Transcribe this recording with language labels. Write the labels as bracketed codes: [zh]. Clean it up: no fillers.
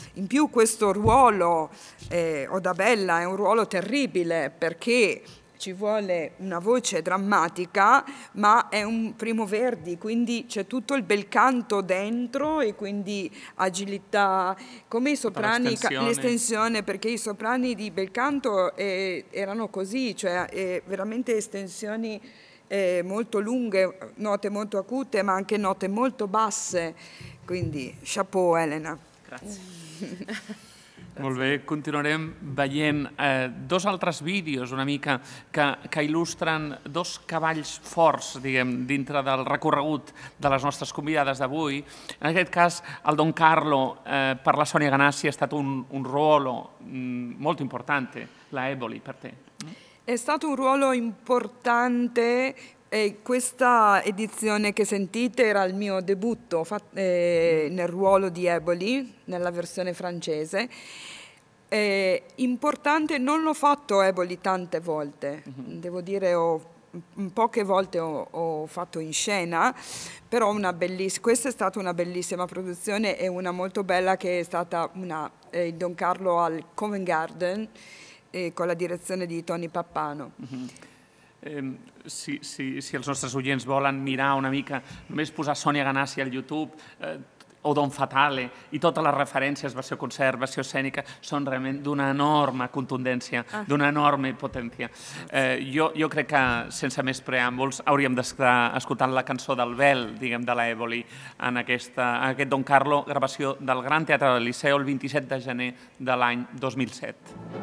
[it] In più questo ruolo, Odabella, è un ruolo terribile, perché ci vuole una voce drammatica, ma è un Primo Verdi, quindi c'è tutto il bel canto dentro e quindi agilità, come i soprani, l'estensione, perché i soprani di bel canto erano così, cioè veramente estensioni molto lunghe, note molto acute, ma anche note molto basse, quindi chapeau Elena. Grazie. [ca] Molt bé, continuarem veient dos altres vídeos una mica que il·lustren dos cavalls forts, diguem, dintre del recorregut de les nostres convidades d'avui. En aquest cas, el Don Carlo, per la Sonia Ganassi, ha estat un ruolo molt important, la Eboli, [it] per te. È stato un ruolo importante. E questa edizione che sentite era il mio debutto nel ruolo di Eboli, nella versione francese. Importante, non l'ho fatto Eboli tante volte, devo dire poche volte ho fatto in scena, però questa è stata una bellissima produzione e una molto bella che è stata il Don Carlo al Covent Garden con la direzione di Tony Pappano. [ca] Si els nostres oients volen mirar una mica, només posar Sonia Ganassi al YouTube o Don Fatale i totes les referències, versió concert, versió escènica, són realment d'una enorme contundència, d'una enorme potència. Jo crec que, sense més preàmbuls, hauríem d'estar escoltant la cançó del Bel, diguem, de l'Eboli, en aquest Don Carlo, gravació del Gran Teatre del Liceu el 27 de gener de l'any 2007.